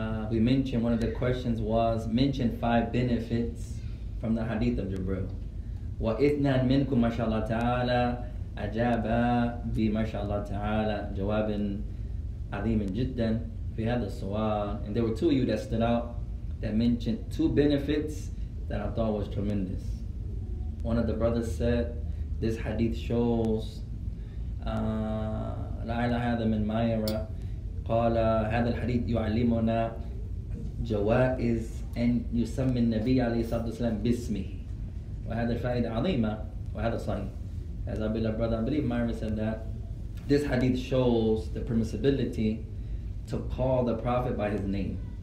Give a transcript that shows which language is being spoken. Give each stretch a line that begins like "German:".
English: We mentioned, one of the questions was, mention five benefits from the hadith of Jibreel.
Arabic: وَإِثْنَانْ مِنْكُمْ مَا شَاءَ اللَّهُ تَعَالَى أَجَابَ بِمَا شَاءَ اللَّهُ تَعَالَى جَوَابًا عَظِيمًا جِدًّا فِي هَذَا السُّؤَالِ.
English: And there were two of you that stood out that mentioned two benefits that I thought was tremendous. One of the brothers said, this hadith shows
Arabic: لا إله هذا من مايرا قال هذا الحديث يعلمنا جوائز أن يسمي النبي عليه الصلاة والسلام باسمه. وهذا الفائدة عظيمة وهذا صحيح.
English: As I believe, brother, I believe Myra said that this hadith shows the permissibility to call the Prophet by his name.